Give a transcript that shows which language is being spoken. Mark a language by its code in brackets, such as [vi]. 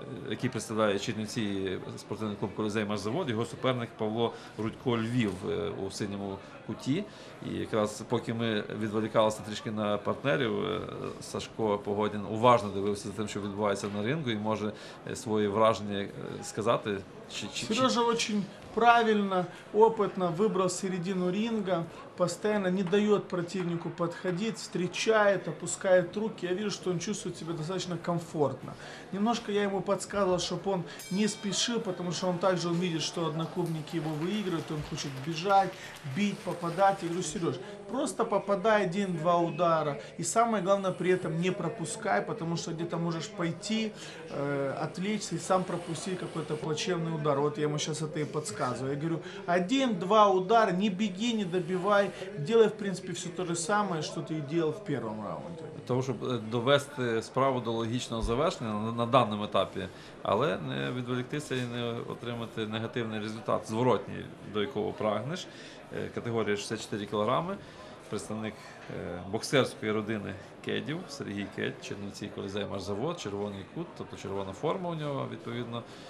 [uk] який представляє чернівці спортивний клуб «Колізей Машзавод», його суперник Павло Рудько Львів у синьому куті. І якраз поки ми відволікалися трішки на партнерів, Сашко Погодін уважно дивився за тим, що відбувається на ринку, і може свої враження сказати. [ru] Сережа дуже правильно, опытно выбрал середину ринга, постоянно не дает противнику подходить, встречает, опускает руки. Я вижу, что он чувствует себя достаточно комфортно. Немножко я ему подсказывал, чтобы он не спешил, потому что он также видит, что одноклубники его выигрывают, он хочет бежать, бить, попадать. Я говорю: Сереж, просто попадай 1-2 удара. И самое главное, при этом не пропускай, потому что где-то можешь пойти, отвлечься и сам пропустить какой-то плачевный удар. Вот я ему сейчас это и подсказываю. Я говорю: 1-2 удара, не беги, не добивай. Делай, в принципе, все то же самое, что ты и делал в первом раунде. Для того, чтобы довести справу до логичного завершения на данном этапе, [uk] але не відволіктися і не отримати негативний результат, зворотній, до якого прагнеш. Категорія 64 кілограми. Представник боксерської родини Кедів, Сергій Кедь, чернівці «Колізей Машзавод», червоний кут, тобто червона форма у нього, відповідно.